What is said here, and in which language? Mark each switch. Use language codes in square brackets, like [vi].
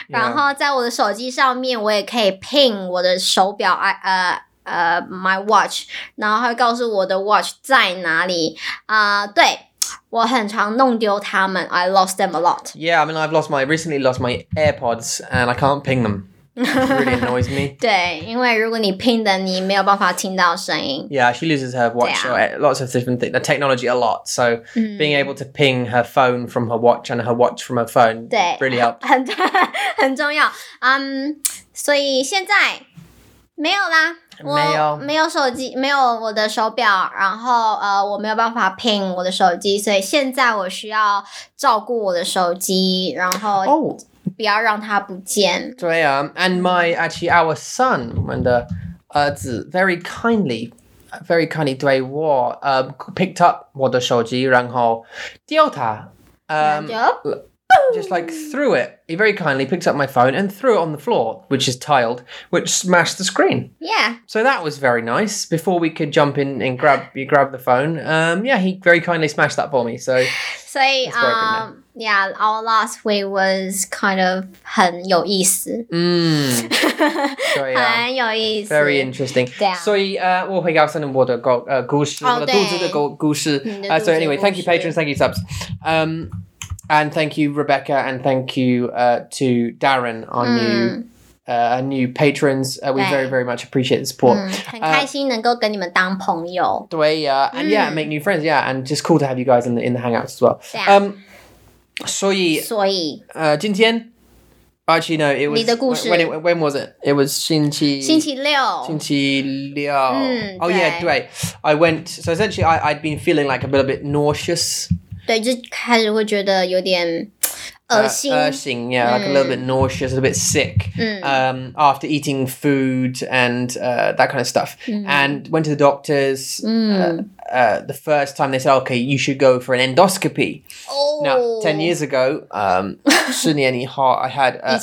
[zh] 然后在我的手机上面，我也可以ping我的手表， [en] my watch， [zh] 然后会告诉我的 watch 在哪里。对。我很常弄丢他们 [en] I lost them a lot. Yeah, I mean, I recently lost my AirPods and I can't ping them. It really annoys me. [zh] 对，因为如果你 ping 的，你没有办法听到声音。 [en] Yeah, she loses her watch or lots of different things, the technology a lot. So being able to ping her phone from her watch and her watch from her phone really helped. [zh] 很重要。所以现在没有啦。没有手机，没有我的手表，然后我没有办法 ping 我的手机，所以现在我需要照顾我的手机，然后不要让它不见。对啊， [en] and our son， [zh] 我们的儿子 [en] very kindly [zh] 对我 [en] picked up [zh] 我的手机，然后丢它。 [en] Just like threw it. He very kindly picked up my phone and threw it on the floor, which is tiled, which smashed the screen. Yeah. So that was very nice. Before we could jump in and grab the phone, he very kindly smashed that for me. So it's broken now. Yeah, our last week was kind of [zh] 很有意思. Mm. 很有意思. [en] Very interesting. [zh] 所以我会告诉你我的故事，我的肚子的故事. [en] So anyway, thank you patrons, thank you subs. And thank you, Rebecca, and thank you to Darren, our new patrons. We very, very much appreciate the support. [zh] 很开心能够跟你们当朋友。对呀， [en] and yeah, make new friends, yeah, and just cool to have you guys in the Hangouts as well. [zh] 对啊。所以，今天 [en] ，actually no, it was [zh] 你的故事。 [en] When was it? It was [zh] 星期六。 [en] Oh yeah, [zh] 对。 [en] I went. So essentially, I'd been feeling like a little bit nauseous. [zh] 对，就开始会觉得有点恶心 [en] yeah, like a little bit nauseous, a little bit sick, after eating food and that kind of stuff. And went to the doctors, the first time they said, okay, you should go for an endoscopy. Now, 10 years ago, [zh] 十年以后, [en] I had,